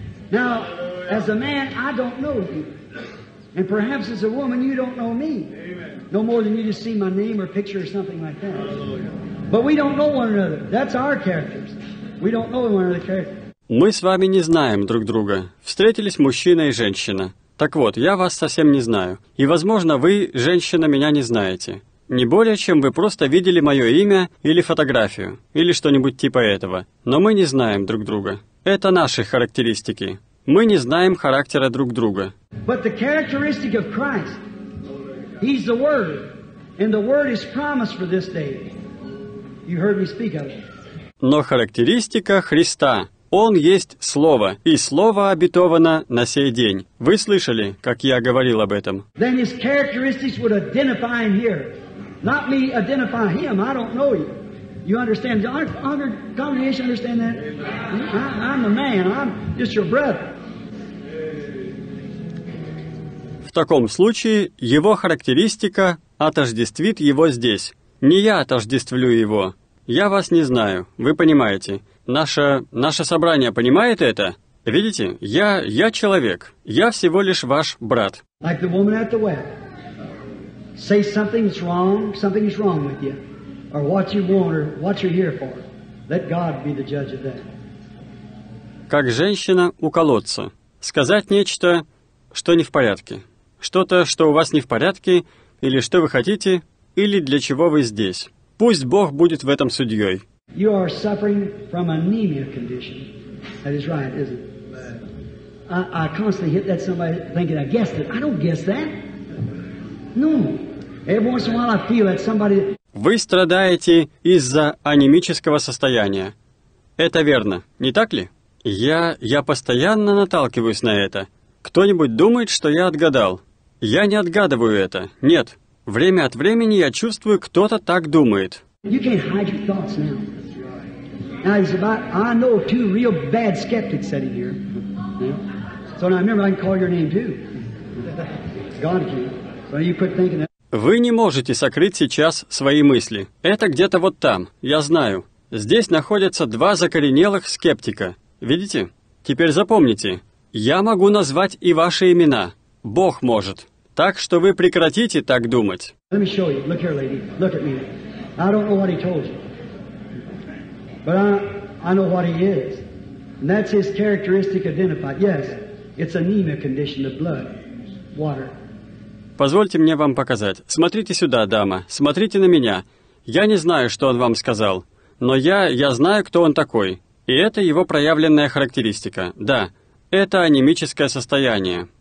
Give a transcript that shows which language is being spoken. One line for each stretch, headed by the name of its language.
English: Now, as a man, I don't know you. And perhaps as a woman, you don't know me. Amen. No more than you just see my name or picture or something like that. But we don't know one another. That's our characters. We don't know one another's characters.
Russian: Мы с вами не знаем друг друга. Встретились мужчина и женщина. Так вот, я вас совсем не знаю. И, возможно, вы, женщина, меня не знаете. Не более, чем вы просто видели мое имя или фотографию, или что-нибудь типа этого. Но мы не знаем друг друга. Это наши характеристики. Мы не знаем характера друг друга.
English: But the characteristic of Christ, He's the Word, and the Word is promised for this day. You heard me speak of it.
Russian: Но характеристика Христа. Он есть Слово, и Слово обетовано на сей день. Вы слышали, как я говорил об этом?
English: Then His characteristics would identify Him here. Not me identify him. I don't know you. You understand? Our congregation understand that? I'm a man. I'm just your brother.
Russian: В таком случае его характеристика отождествит его здесь. Не я отождествлю его. Я вас не знаю. Вы понимаете? Наше собрание понимает это? Видите? Я человек. Я всего лишь ваш брат.
English: Like the woman at the well. Say something's wrong with you, or what you want, or what you're here for. Let God be the judge of that.
Russian: Как женщина у колодца. Сказать нечто, что не в порядке. Что-то, что у вас не в порядке, или что вы хотите, или для чего вы здесь. Пусть Бог будет в этом судьей.
English: You are suffering from anemia condition. That is right, isn't it? I constantly hit that somebody thinking, I guessed it. I don't guess that. No. Every once in a while I feel that somebody...
Russian: Вы страдаете из-за анемического состояния. Это верно, не так ли? Я постоянно наталкиваюсь на это. Кто-нибудь думает, что я отгадал? Я не отгадываю это. Нет. Время от времени я чувствую, кто-то так думает.
English: You can't hide your thoughts now. Now it's about... I know two real bad skeptics sitting here. So now remember, I can call your name too. God can.
Russian: Вы не можете сокрыть сейчас свои мысли. Это где-то вот там, я знаю. Здесь находятся два закоренелых скептика. Видите? Теперь запомните. Я могу назвать и ваши имена. Бог может. Так что вы прекратите так думать.
English: Let me show you. Look here, lady. Look at me. I don't know what he told you. But I know what he is. And that's his characteristic identified. Yes, it's anemia condition of blood. Water.
Russian: Позвольте мне вам показать. Смотрите сюда, дама. Смотрите на меня. Я не знаю, что он вам сказал. Но я знаю, кто он такой. И это его проявленная характеристика. Да, это анемическое состояние.